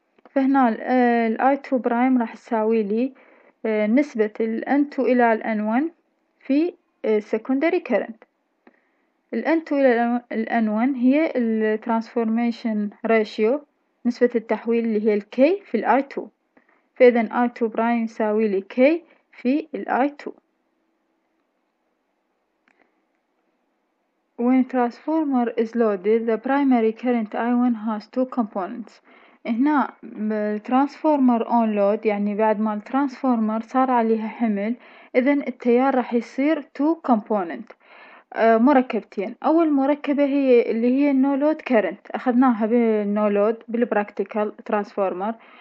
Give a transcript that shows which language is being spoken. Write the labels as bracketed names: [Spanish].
[Arabic] فهنا ال I2 برايم راح يساوي لي نسبة ال N2 إلى ال N1 في secondary current. ال N2 إلى ال N1 هي ال transformation ratio، نسبة التحويل اللي هي ال K في ال I2. فإذا I2 برايم يساوي لي K في الاي 2. [English] When transformer is loaded the primary current I1 has two components. [Arabic] هنا الترانسفورمر اون لود، يعني بعد ما الترانسفورمر صار عليها حمل، اذا التيار راح يصير [English] two component، [Arabic] مركبتين. اول مركبة هي اللي هي النو لود كرنت، اخذناها بالنو لود بالبراكتيكال ترانسفورمر.